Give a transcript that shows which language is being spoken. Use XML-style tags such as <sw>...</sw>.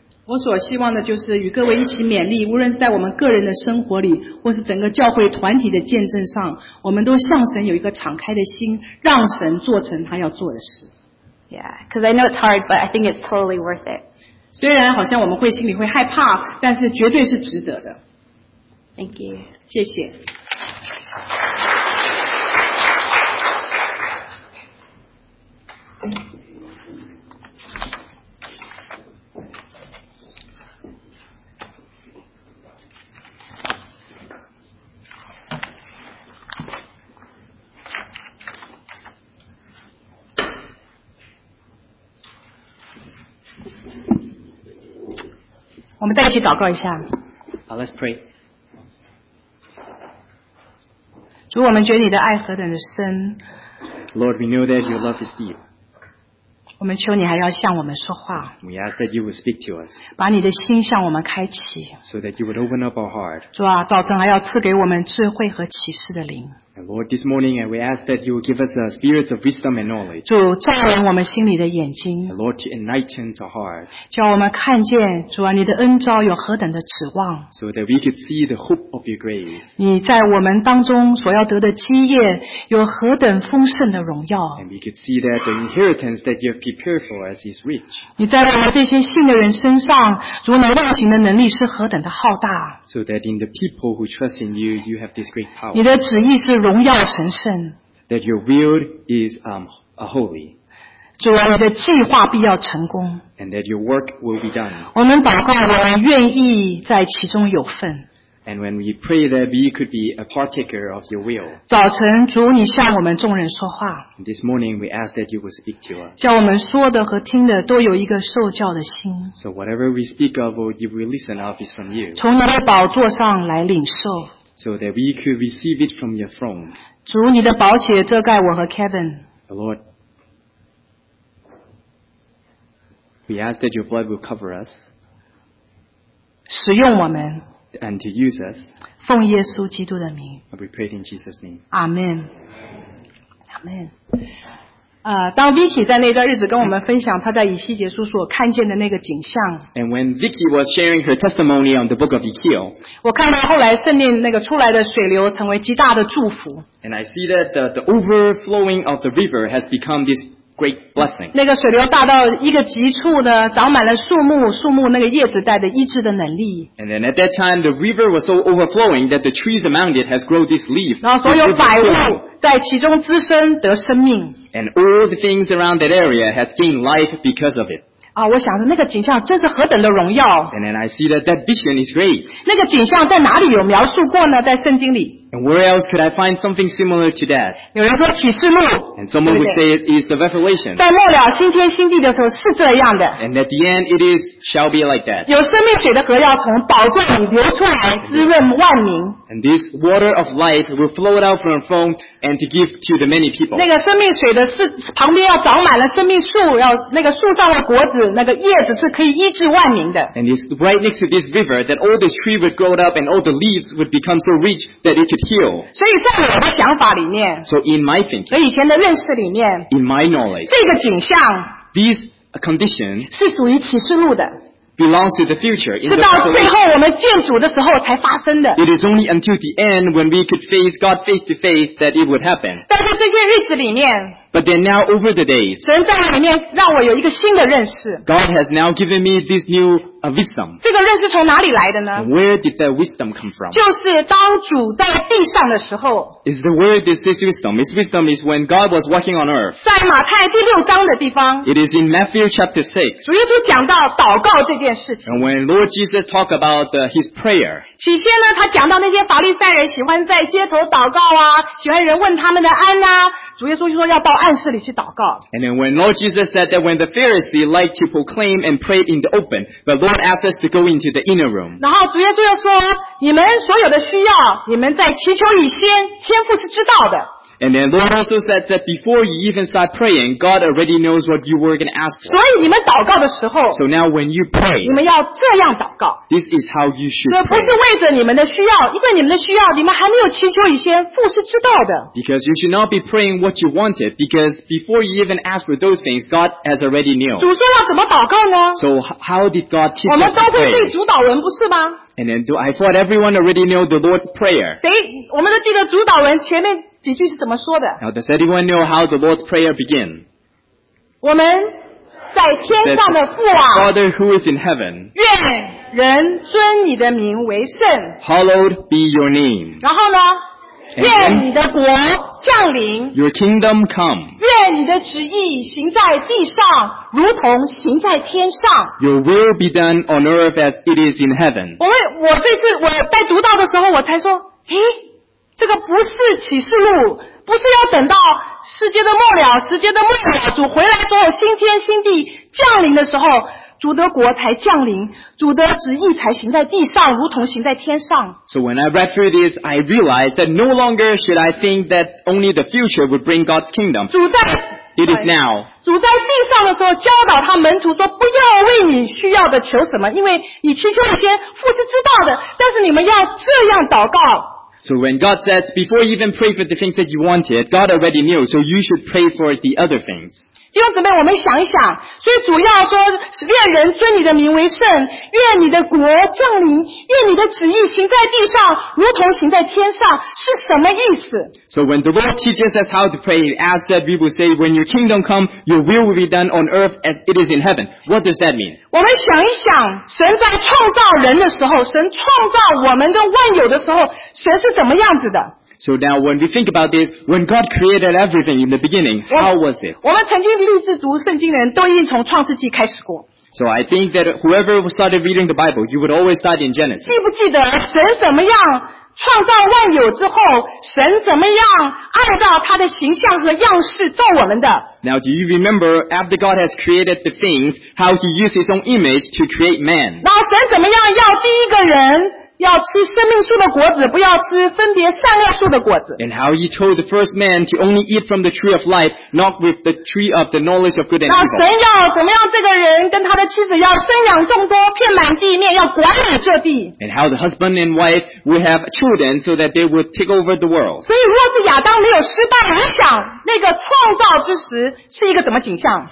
<zh>我所希望的就是与各位一起勉励，无论是在我们个人的生活里，或是整个教会团体的见证上，我们都向神有一个敞开的心，让神做成他要做的事。</zh> <en>Yeah, because I know it's hard, but I think it's totally worth it.</en> <zh>虽然好像我们会心里会害怕，但是绝对是值得的。</zh> <en>Thank you.</en> <zh>谢谢。我们再一起祷告一下。</zh> <en>好 ，Let's pray。</en> <zh>主，我们觉得你的爱何等的深。</zh> <en>Lord, we know that your love is deep。</en> <zh>我们求你还要向我们说话。</zh> <en>We ask that you would speak to us。</en> <zh>把你的心向我们开启。</zh> <en>So that you would open up our heart。</en> <zh>主啊，早晨还要赐给我们智慧和启示的灵。</zh> <en>And Lord, this morning we ask that you will give us a spirit of wisdom and knowledge.</en> <zh>主照亮我们心里的眼睛。</zh> <en>And Lord, enlighten our heart.</en> <zh>叫我们看见主啊，你的恩召有何等的指望。</zh> <en>So that we could see the hope of your grace.</en> <zh>你在我们当中所要得的基业有何等丰盛的荣耀。</zh> <en>And we could see that the inheritance that you have prepared for us is rich.</en> <zh>你在我们这些信的人身上，主你运行的能力是何等的浩大。</zh> <en>So that in the people who trust in you, you have this great power.</en> <zh>你的旨意是荣耀神圣。</zh> <en>That your will is holy.</en> <zh>主啊，你的计划必要成功。</zh> <en>And that your work will be done.</en> <zh>我们祷告，我们愿意在其中有份。</zh> <en>And when we pray that we could be a partaker of your will.</en> <zh>早晨，主你向我们众人说话。</zh> <en>This morning we ask that you would speak to us.</en> <zh>叫我们说的和听的都有一个受教的心。</zh> <en>So whatever we speak of or you will listen of is from you.</en> <zh>从你的宝座上来领受。</zh> <en>So that we could receive it from your throne.</en> <zh>主你的宝血遮盖我和 Kevin.</zh> <en>The Lord, we ask that your blood will cover us.</en> <zh>使用我们。</zh> <en>And to use us.</en> <zh>奉耶稣基督的名。</zh> <en>We pray in Jesus' name. Amen. Amen.</en> <zh>当 Vicky 在那段日子跟我们分享他在以西结书所看见的那个景象，</zh> <en>And when Vicky was sharing her testimony on the book of Ezekiel,</en> <zh>我看到后来圣殿那个出来的水流成为极大的祝福。</zh> <en>And I see that the overflowing of the river has become this great blessing.</en> <zh>那个水流大到一个极处的长满了树木，树木那个叶子带着医治的能力。</zh> <en>And then at that time, the river was so overflowing that the trees among it has grown this leaf.</en> <zh>然后所有百物在其中滋生得生命。</zh> <en>And all the things around that area has gained life because of it.</en> <zh>啊，我想那个景象真是何等的荣耀。</zh> <en>And then I see that that vision is great.</en> <zh>那个景象在哪里有描述过呢？在圣经里。</zh> <en>And where else could I find something similar to that?</en> <zh>有人说启示录。</zh> <en>And someone would say it is the revelation.</en> <zh>在末了新天新地的时候是这样的。</zh> <en>And at the end it is shall be like that.</en> <zh>有生命水的河要从宝座里流出来，滋润万民。</zh> <en>And this water of life will flow out from the throne and to give to the many people.</en> <zh>那个生命水的旁边要长满了生命树，要那个树上的果子，那个叶子是可以医治万民的。</zh> <en>And it's right next to this river that all this tree would grow up and all the leaves would become so rich that it could heal.</en> <zh>所以在我的想法里面</zh> <en>，So in my thinking，</en> <zh>和以前的认识里面</zh> <en>，In my knowledge，</en> <zh>这个景象</zh> <en>，This condition</en> <zh>是属于启示录的。</zh> <en>Belongs to the future.</en> <zh>是到最后我们见主的时候才发生的。</zh> <en>It is only until the end when we could face God face to face that it would happen.</en> <zh>但在这些日子里面。</zh> <en>But then now over the days.</en> <zh>神在里面让我有一个新的认识。</zh> <en>God has now given me this new wisdom.</en> <zh>这个认识从哪里来的呢？</zh> <en>Where did that wisdom come from?</en> <zh>就是当主在地上的时候。</zh> <en>Is the word is this wisdom? This wisdom is when God was walking on earth.</en> <zh>在马太第六章的地方。</zh> <en>It is in Matthew chapter 6.</en> <zh>主耶稣讲到祷告这件事情。</zh> <en>And when Lord Jesus talked about his prayer.</en> <zh>起先呢，他讲到那些法利赛人喜欢在街头祷告啊，喜欢人问他们的安啊。主耶稣说要到暗室里去祷告。</zh> <en>And then when Lord Jesus said that when the Pharisee liked to proclaim and pray in the open, but Lord asked us to go into the inner room.</en> <zh>然后主耶稣又说，你们所有的需要，你们在祈求以先，天父是知道的。</zh> <en>And then Lord also said that before you even start praying, God already knows what you were going to ask for.</en> <zh>所以你们祷告的时候，</zh> <en>So now when you pray,</en> <zh>你们要这样祷告。</zh> <en>This is how you should pray.</en> <zh>不是为着你们的需要，因为你们的需要，你们还没有祈求以先，父是知道的。</zh> <en>Because you should not be praying what you wanted, because before you even ask for those things, God has already knew.</en> <zh>主说要怎么祷告呢？</zh> <en>So how did God teach us to pray?</en> <zh>我们都会背主导文，不是吗？</zh> <en>And then I thought everyone already knew the Lord's prayer.</en> <zh>谁？我们都记得主导文前面几句是怎么说的？</zh> <en>Now, does anyone know how the Lord's prayer begins?</en> <zh>我们在天上的父啊，</zh> <en>Father who is in heaven,</en> <zh>愿人尊你的名为圣，</zh> <en>Hallowed be your name.</en> <zh>然后呢？愿你的国降临，</zh> <en>Your kingdom come.</en> <zh>愿你的旨意行在地上，如同行在天上。</zh> <en>Your will be done on earth as it is in heaven.</en> <zh>我这次我在读到的时候，我才说，诶，这个不是启示录，不是要等到世界的末了，时间的末了，主回来之后，新天新地降临的时候，主的国才降临，主的旨意才行在地上，如同行在天上。</zh> <en>So when I read through this, I realized that no longer should I think that only the future would bring God's kingdom.</en> <zh>主在</zh> <en>It is now.</en> <zh>主在地上的时候教导他门徒说，不要为你需要的求什么，因为你祈求一些父是知道的，但是你们要这样祷告。</zh> <en>So when God says, before you even pray for the things that you wanted, God already knew, so you should pray for the other things.</en> <zh>弟兄姊妹，我们想一想，所以主要说，愿人尊你的名为圣，愿你的国降临，愿你的旨意行在地上，如同行在天上，是什么意思？</zh> <en>So when the Lord teaches us how to pray, he asks that we will say, when your kingdom come, your will be done on earth as it is in heaven. What does that mean?</en> <zh>我们想一想，神在创造人的时候，神创造我们跟万有的时候，神是怎么样子的？</zh> <en>So now when we think about this, when God created everything in the beginning, how was it?</en> <zh>我们曾经立志读圣经的人都已经从创世纪开始过。</zh> <en>So I think that whoever started reading the Bible, you would always start in Genesis.</en> <zh>记不记得神怎么样创造万有之后，神怎么样按照他的形象和样式造我们的？</zh> <en>Now do you remember after God has created the things, how he used his own image to create man?</en> <zh>那神怎么样要第一个人要吃生命树的果子，不要吃分别善恶树的果子。</zh> <en>And how he told the first man to only eat from the tree of life, not with the tree of the knowledge of good and evil.</en> <zh>那神要怎么样？这个人跟他的妻子要生养众多，遍满地面，要管理这地。</zh> <en>And how the husband and wife would have children so that they would take over the world.</en> <zh>所以，若是亚当没有失败，你想那个创造之时是一个怎么景象？</zh>